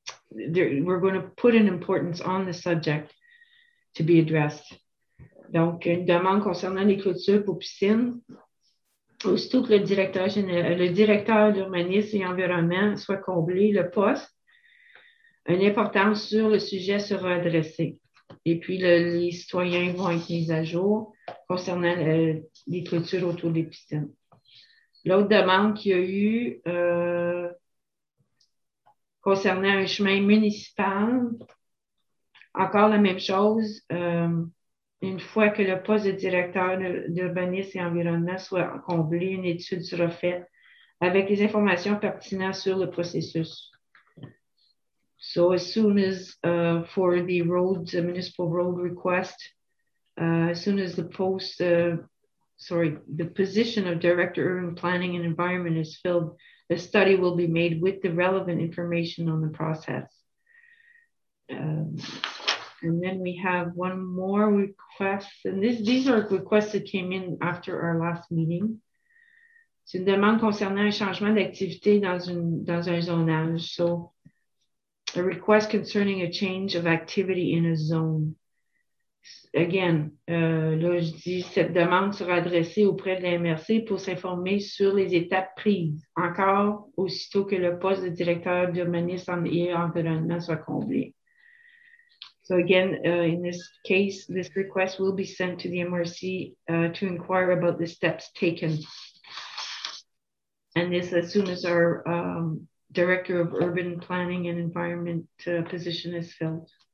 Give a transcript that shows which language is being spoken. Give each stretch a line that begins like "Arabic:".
English: We're going to put an importance on the subject to be addressed.
French: Donc, une demande concernant les clôtures pour piscine. Aussitôt que le directeur d'urbanisme et environnement soit comblé, le poste, une importance sur le sujet sera adressée. Et puis, les citoyens vont être mis à jour concernant les clôtures autour des piscines. L'autre demande qu'il y a eu concernant un chemin municipal, encore la même chose. Une fois que le poste de directeur d'urbanisme et environnement soit comblé, une étude sera faite avec les informations pertinentes sur le processus.
English: So as soon as for the roads, municipal road request, as soon as the post, the position of director urban planning and environment is filled, the study will be made with the relevant information on the process. And then we have one more request. And these are requests that came in after our last meeting.
French: C'est une demande concernant un changement d'activité dans un zonage.
English: So a request concerning a change of activity in a zone.
French: Again, là, je dis, cette demande sera adressée auprès de la MRC pour s'informer sur les étapes prises. Encore, aussitôt que le poste de directeur d'urbanisme et environnement soit comblé.
English: So again, in this case, this request will be sent to the MRC to inquire about the steps taken. And this, as soon as our Director of Urban Planning and Environment position is filled.